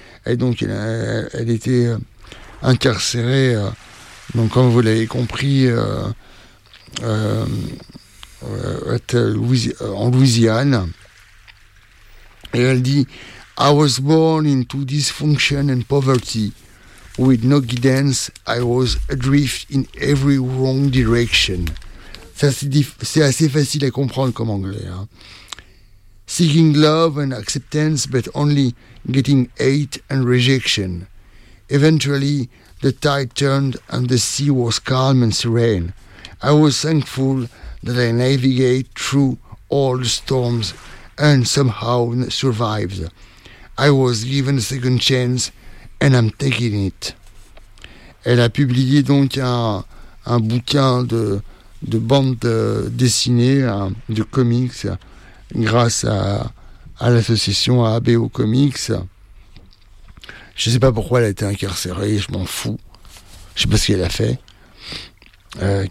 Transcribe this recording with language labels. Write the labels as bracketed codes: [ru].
[fr] Et donc, elle était incarcérée, donc comme vous l'avez compris, en Louisiane. Et elle dit, [en] I was born into dysfunction and poverty. With no guidance, I was adrift in every wrong direction. [fr] C'est assez facile à comprendre comme anglais. Hein. [en] Seeking love and acceptance, but only getting hate and rejection. Eventually, the tide turned and the sea was calm and serene. I was thankful that I navigated through all the storms and somehow survived. I was given a second chance and I'm taking it. [fr] Elle a publié donc un bouquin de bande dessinée, de comics, grâce à l'association ABO Comics. Je ne sais pas pourquoi elle a été incarcérée, je m'en fous. Je ne sais pas ce qu'elle a fait.